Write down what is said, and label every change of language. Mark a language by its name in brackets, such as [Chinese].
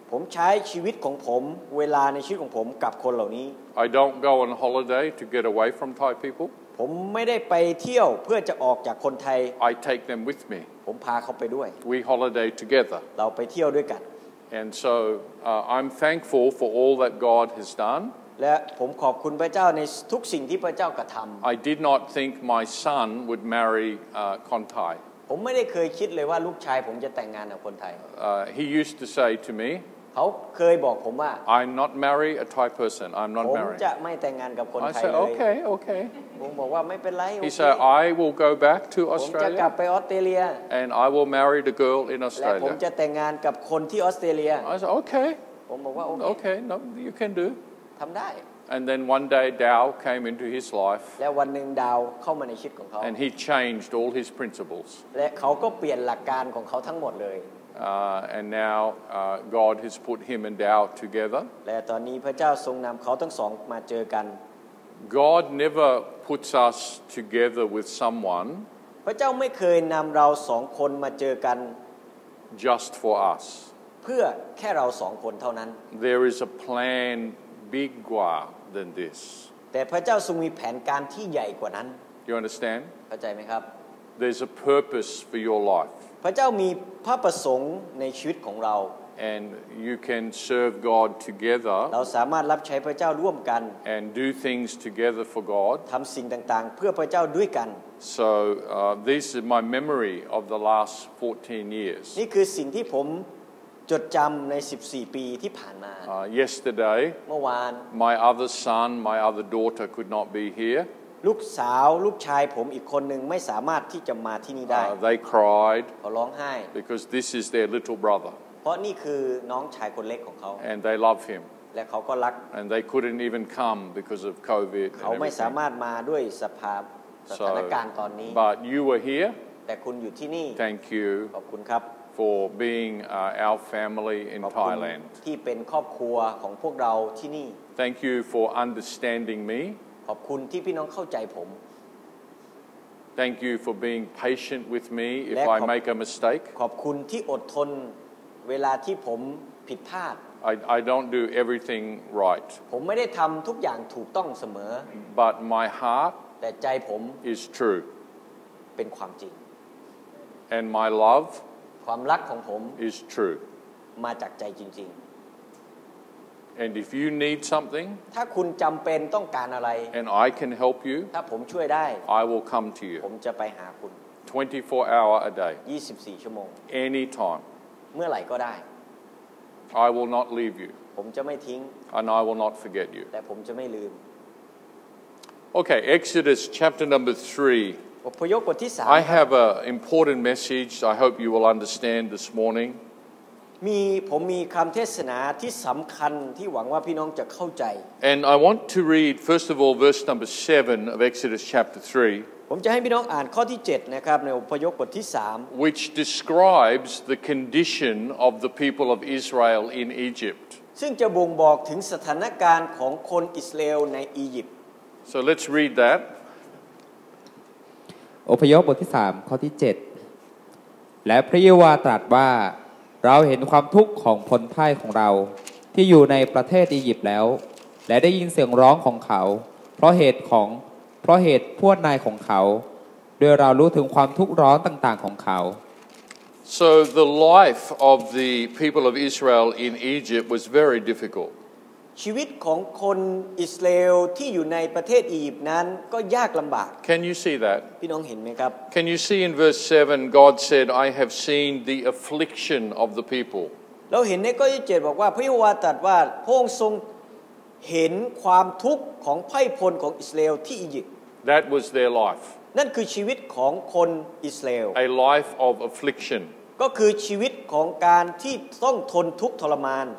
[Thai] ผมใช้ชีวิตของผมเวลาในชีวิตของผมกับคนเหล่านี้ [English] I don't go on holiday to get away from Thai people. [Thai] ผมไม่ได้ไปเที่ยวเพื่อจะออกจากคนไทย [English] I take them with me. [Thai] ผมพาเขาไปด้วย [English] We holiday together. [Thai] เราไปเที่ยวด้วยกัน [English] And so I'm thankful for all that God has done. [Thai] และผมขอบคุณพระเจ้าในทุกสิ่งที่พระเจ้ากระทำ [English] I did not think my son would marry Khon Thai. [Thai] ผมไม่ได้เคยคิดเลยว่าลูกชายผมจะแต่งงานกับคนไทย [English] He used to say to me [Thai] เขาเคยบอกผมว่า [English] I'm not marry a Thai person I'm not married [Thai] ผมจะไม่แต่งงานกับคนไทยเลย [English] I said okay okay [Thai] ผมบอกว่าไม่เป็นไร [English] He said I will go back to Australia [Thai] ผมจะกลับไปออสเตรเลีย [English] and I will marry the girl in Australia [Thai] และผมจะแต่งงานกับคนที่ออสเตรเลีย [English] I said okay [Thai] ผมบอกว่าโอเค [English] okay no you can do [Thai] ทำได้ [English] And then one day Dao came into his life. [Thai] และวันหนึ่งดาวเข้ามาในชีวิตของเขา [English] And he changed all his principles. [Thai] และเขาก็เปลี่ยนหลักการของเขาทั้งหมดเลย [English] And now God has put him and Dao together. [Thai] และตอนนี้พระเจ้าทรงนำเขาทั้งสองมาเจอกัน [English] God never puts us together with someone. [Thai] พระเจ้าไม่เคยนำเราสองคนมาเจอกัน [English] Just for us. [Thai] เพื่อแค่เราสองคนเท่านั้น [English] There is a plan. Bigger than this. [Thai] แต่พระเจ้าทรงมีแผนการที่ใหญ่กว่านั้น [English] You understand? [Thai] เข้าใจไหมครับ [English] There's a purpose for your life. [Thai] พระเจ้ามีพระประสงค์ในชีวิตของเรา [English] And you can serve God together. [Thai] เราสามารถรับใช้พระเจ้าร่วมกัน [English] And do things together for God. [Thai] ทำสิ่งต่างๆเพื่อพระเจ้าด้วยกัน [English] So this is my memory of the last 14 years. [Thai] นี่คือสิ่งที่ผมจดจำใน14ปีที่ผ่านมา [English] Yesterday [Thai] เมื่อวาน [English] My other son, my other daughter could not be here [Thai] ลูกสาวลูกชายผมอีกคนหนึ่งไม่สามารถที่จะมาที่นี่ได้ [English] They cried [Thai] เขาร้องไห้ [English] Because this is their little brother [Thai] เพราะนี่คือน้องชายคนเล็กของเขา [English] And they love him [Thai] และเขาก็รัก [English] And they couldn't even come because of COVID [Thai] เขาไม่สามารถมาด้วยสภาพสถานการณ์ตอนนี้ [English] But you were here [Thai] แต่คุณอยู่ที่นี่ [English] Thank you [Thai] ขอบคุณครับ [English] For being our family in Thailand. [Thai] ที่เป็นครอบครัวของพวกเราที่นี่ [English] Thank you for understanding me. [Thai] ขอบคุณที่พี่น้องเข้าใจผม [English] Thank you for being patient with me if I make a mistake. [Thai] ขอบคุณที่อดทนเวลาที่ผมผิดพลาด [English] I don't do everything right. [Thai] ผมไม่ได้ทำทุกอย่างถูกต้องเสมอ [English] But my heart [Thai] แต่ใจผม [English] is true. [Thai] เป็นความจริง [English] And my love. [Thai] ความรักของผม [English] is true [Thai] มาจากใจจริง [English] ๆ and if you need something [Thai] ถ้าคุณจำเป็นต้องการอะไร [English] and I can help you [Thai] ถ้าผมช่วยได้ [English] I will come to you [Thai] ผมจะไปหาคุณ [English] 24 hour a day [Thai] 24ชั่วโมง [English] anytime [Thai] เมื่อไหร่ก็ได้ [English] I will not leave you [Thai] ผมจะไม่ทิ้ง [English] and I will not forget you [Thai] แต่ผมจะไม่ลืม [English] Okay, Exodus chapter number 3. I have an important message I hope you will understand this morning. [Thai] ผมมีคำเทศนาที่สำคัญที่หวังว่าพี่น้องจะเข้าใจ [English] And I want to read, first of all, verse number 7 of Exodus chapter 3. [Thai] ผมจะให้พี่น้องอ่านข้อที่7นะครับในอพยพบทที่3 [English] Which describes the condition of the people of Israel in Egypt. [Thai] ซึ่งจะบ่งบอกถึงสถานการณ์ของคนอิสราเอลในอียิปต์ [English] So let's read that. [Thai] อพยพบทที่3ข้อที่7และพระเยโฮวาห์ตรัสว่าเราเห็นความทุกข์ของคนไทยของเราที่อยู่ในประเทศอียิปต์แล้วและได้ยินเสียงร้องของเขาเพราะเหตุพวกนายของเขาโดยเรารู้ถึงความทุกข์ร้อนต่างๆของเขา [English] So the life of the people of Israel in Egypt was very difficult. [Thai] ชีวิตของคนอิสราเอลที่อยู่ในประเทศอียิปต์นั้นก็ยากลำบาก [English] Can you see that? [Thai] พี่น้องเห็นไหมครับ [English] Can you see in verse 7 God said I have seen the affliction of the people [Thai] เราเห็นในข้อ7บอกว่าพระเยโฮวาห์ตรัสว่าพระองค์ทรงเห็นความทุกข์ของไพร่พลของอิสราเอลที่อียิปต์ [English] That was their life [Thai] นั่นคือชีวิตของคนอิสราเอล [English] A life of affliction [Thai] ก็คือชีวิตของการที่ต้องทนทุกข์ทรมาน